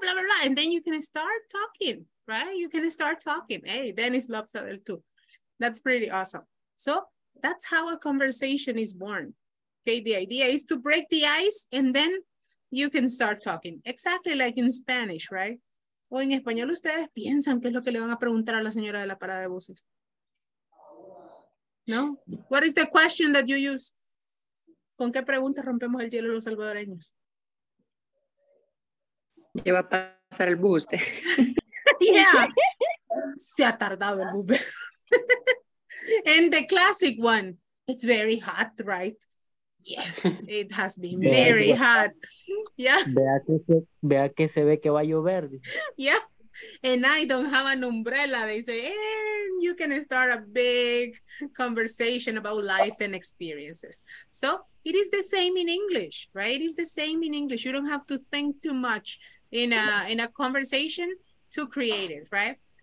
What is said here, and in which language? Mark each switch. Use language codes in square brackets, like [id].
[en] Blah, blah, blah. And then you can start talking, right? You can start talking. Hey, Dennis loves Adele too. That's pretty awesome. So that's how a conversation is born. Okay, the idea is to break the ice and then you can start talking. Exactly like in Spanish, right? [es] O en español, ustedes piensan qué es lo que le van a preguntar a la señora de la parada de buses. No? [en] What is the question that you use? [es] ¿Con qué pregunta rompemos el hielo los salvadoreños? ¿Qué va a pasar el bus? Yeah. Se ha tardado el bus. [en] And the classic one. It's very hot, right? Yes, it has been very hot. Yeah. [es] Vea que se ve que va a llover. [en] Yeah. And I don't have an umbrella. They say, and you can start a big conversation about life and experiences. So it is the same in English, right? It is the same in English. You don't have to think too much in a conversation to create it, right?